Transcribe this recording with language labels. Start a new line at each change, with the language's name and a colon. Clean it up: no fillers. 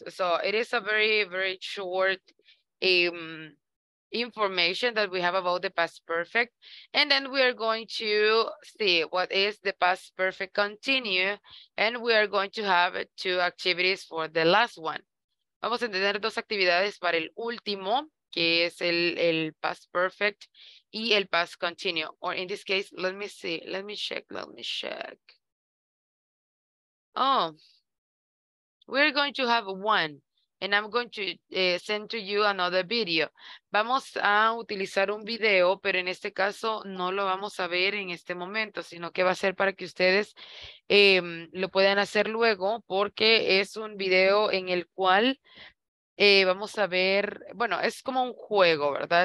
English: So it is a very, very short information that we have about the past perfect. And then we are going to see what is the past perfect continue, and we are going to have two activities for the last one.
Spanish: Vamos a tener dos actividades para el último, que es el past perfect y el past continue.
English: Or in this case, let me see, let me check. Oh, we're going to have one, and I'm going to send to you another video.
Spanish: Vamos a utilizar un video, pero en este caso no lo vamos a ver en este momento, sino que va a ser para que ustedes lo puedan hacer luego, porque es un video en el cual vamos a ver, bueno, es como un juego, ¿verdad?